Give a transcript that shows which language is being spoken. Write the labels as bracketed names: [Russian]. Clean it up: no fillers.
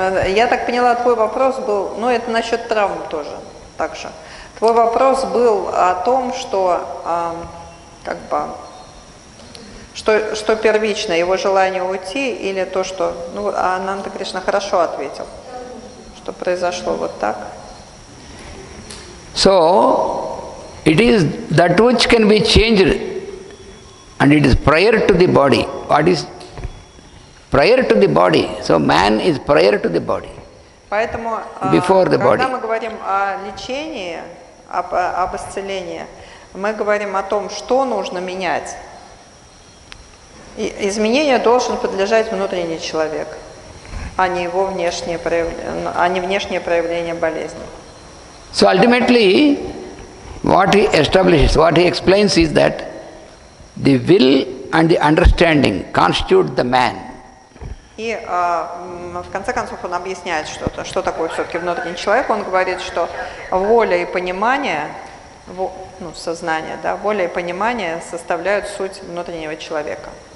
[Russian] Я так поняла, твой вопрос был, ну это насчет травм тоже, так же. Твой вопрос был о том, что, как бы, что первично, его желание уйти или то, что, ну, Ананда Кришна хорошо ответил, что произошло вот так. [English] So, it is that which can be changed, and it is prior to the body. What is prior to the body? So, man is prior to the body. [Russian] Поэтому, [English] before the body. [Russian] Когда мы говорим о лечении, об исцелении, мы говорим о том, что нужно менять. Изменению должен подлежать внутренний человек, а не его внешние проявления, а не внешние проявления болезни. [English] So ultimately, what he establishes, what he explains is that the will and the understanding constitute the man. [Russian] И в конце концов он объясняет что-то, что такое все-таки внутренний человек. Он говорит, что воля и понимание, ну, сознание, да, воля и понимание составляют суть внутреннего человека.